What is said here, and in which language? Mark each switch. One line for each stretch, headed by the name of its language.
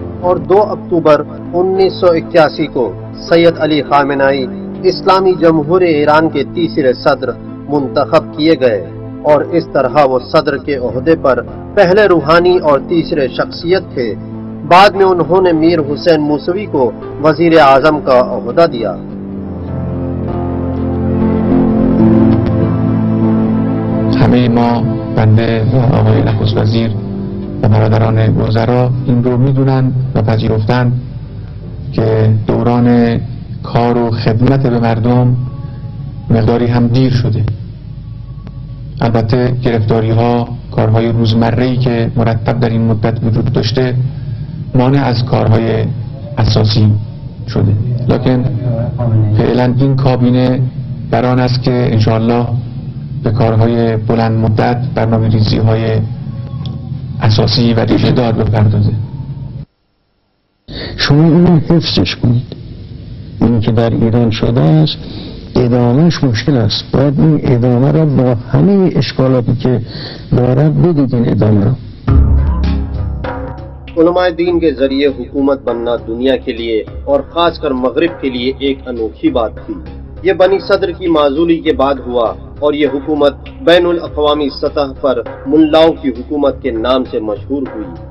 Urdu: اور 2 اکتوبر 1981 کو سید علی خامنائی اسلامی جمہور ایران کے تیسرے صدر منتخب کیے گئے اور اس طرح وہ صدر کے عہدے پر پہلے روحانی اور تیسرے شخصیت تھے. بعد میں انہوں نے میر حسین موسوی کو وزیر اعظم کا عہدہ دیا.
Persian: همه ما بنده و آقای نخست وزیر و برادران وزرا این رو میدونن و پذیرفتن که دوران کار و خدمت به مردم مقداری هم دیر شده. البته گرفتاری ها کارهای روزمره‌ای که مرتب در این مدت وجود داشته مانع از کارهای اساسی شده، لیکن فعلا این کابینه بر آن است که انشاءالله به کارهای بلند مدت برنامه ریزی های اساسی و ریشه دار بپردازه. شما اینو حفظش کنید. این که در ایران شده است ادامهش مشکل است. باید این ادامه را با همه اشکالاتی که دارد بدید. این ادامه را
Urdu: علماء دین کے ذریعے حکومت بننا دنیا کے لیے اور خاص کر مغرب کے لیے ایک انوکھی بات تھی. یہ بنی صدر کی معزولی کے بعد ہوا اور یہ حکومت بین الاقوامی سطح پر ملاؤں کی حکومت کے نام سے مشہور ہوئی.